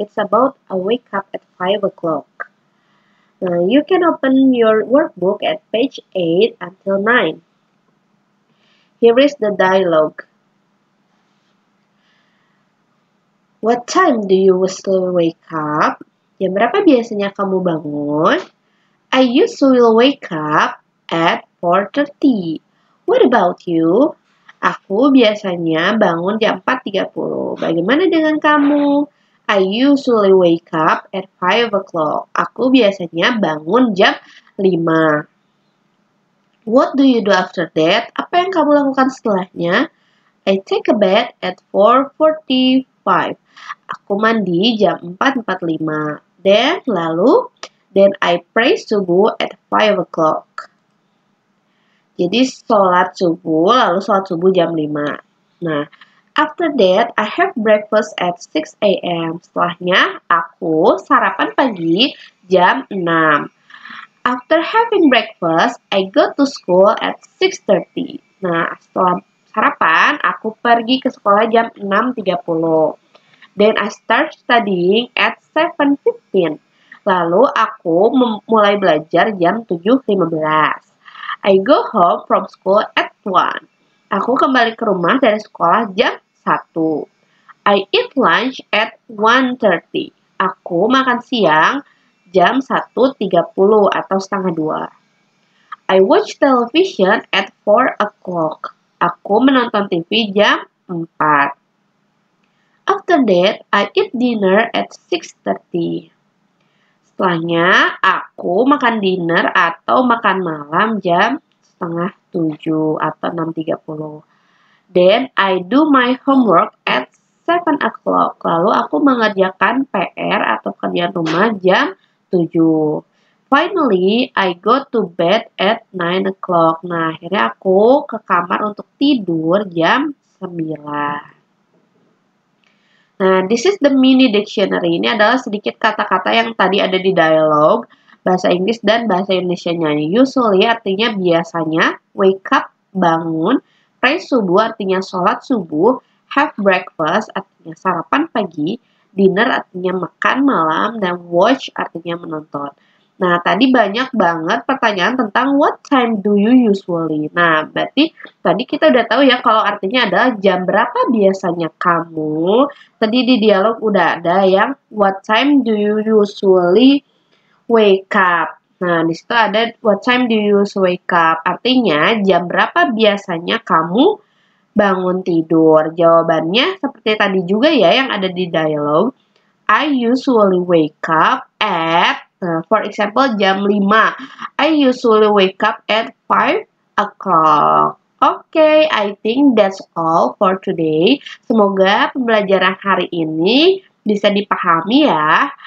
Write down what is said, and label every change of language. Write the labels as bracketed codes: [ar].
[en] It's about a wake up at 5 o'clock. You can open your workbook at page 8 until 9. Here is the dialogue. What time do you usually wake up? [id] Jam berapa biasanya kamu bangun? [en] I usually wake up at 4:30. What about you? [id] Aku biasanya bangun jam 4:30. Bagaimana dengan kamu? [en] I usually wake up at 5 o'clock. [id] Aku biasanya bangun jam 5. [en] What do you do after that? [id] Apa yang kamu lakukan setelahnya? [en] I take a bath at 4:45. [id] Aku mandi jam 4:45. [en] Then I pray subuh at 5 o'clock. [id] Jadi lalu sholat subuh jam 5. [en] Nah, after that, I have breakfast at 6 a.m. [id] Setelahnya, aku sarapan pagi jam 6. [en] After having breakfast, I go to school at 6:30. [id] Nah, setelah sarapan, aku pergi ke sekolah jam 6:30. [en] Then I start studying at 7:15. [id] Lalu aku mulai belajar jam 7:15. [en] I go home from school at 1. [id] Aku kembali ke rumah dari sekolah jam 1. [en] I eat lunch at 1:30. [id] Aku makan siang jam 1:30 atau setengah 2. [en] I watch television at 4 o'clock. [id] Aku menonton TV jam 4. [en] After that, I eat dinner at 6:30. [id] Setelahnya, aku makan dinner atau makan malam jam setengah 7 atau 6:30. [en] Then, I do my homework at 7 o'clock. [id] Lalu, aku mengerjakan PR atau kerjaan rumah jam 7. [en] Finally, I go to bed at 9 o'clock. [id] Nah, akhirnya aku ke kamar untuk tidur jam 9. Nah, [en] this is the mini dictionary. [id] Ini adalah sedikit kata-kata yang tadi ada di dialog bahasa Inggris dan bahasa Indonesia-nya. Usually artinya biasanya, wake up, bangun, pray subuh artinya sholat subuh, have breakfast artinya sarapan pagi, dinner artinya makan malam, dan watch artinya menonton. Nah, tadi banyak banget pertanyaan tentang [en] what time do you usually? [id] Nah, berarti tadi kita udah tahu ya kalau artinya adalah jam berapa biasanya kamu. Tadi di dialog udah ada yang [en] what time do you usually wake up? [id] Nah, di situ ada [en] what time do you usually wake up? [id] Artinya jam berapa biasanya kamu bangun tidur? Jawabannya seperti tadi juga ya yang ada di dialog. [en] I usually wake up at, for example, [id] jam 5. [en] I usually wake up at 5 o'clock. Okay, I think that's all for today. [id] Semoga pembelajaran hari ini bisa dipahami ya.